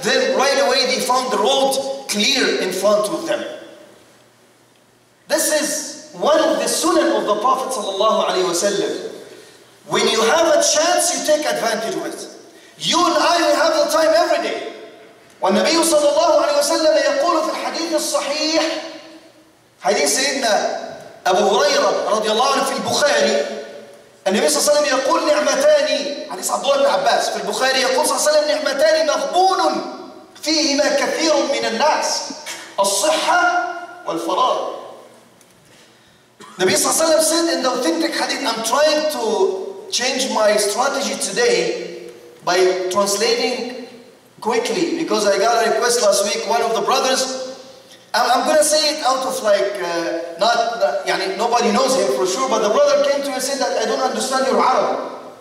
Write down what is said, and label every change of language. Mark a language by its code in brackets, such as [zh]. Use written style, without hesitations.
[en] Then right away they found the road clear in front of them. This is one of the sunnah of the Prophet sallallahu alayhi wasallam. When you have a chance, you take advantage of it. You and I, we have the time every day. [ar] والنبي صلى الله عليه وسلم يقول في الحديث الصحيح حديث سيدنا أبو هريرة رضي الله عنه في البخاري النبي صلى الله عليه وسلم يقول نعمتان حديث عبد الله بن عباس في البخاري يقول صلى الله عليه وسلم نعمتان مغبون فيهما كثير من الناس الصحة والفراغ. [en] النبي صلى الله عليه وسلم said in the authentic hadith, I'm trying to change my strategy today by translating quickly, because I got a request last week, one of the brothers, I'm gonna say it out of like, nobody knows him for sure, but the brother came to me and said that I don't understand your Arabic.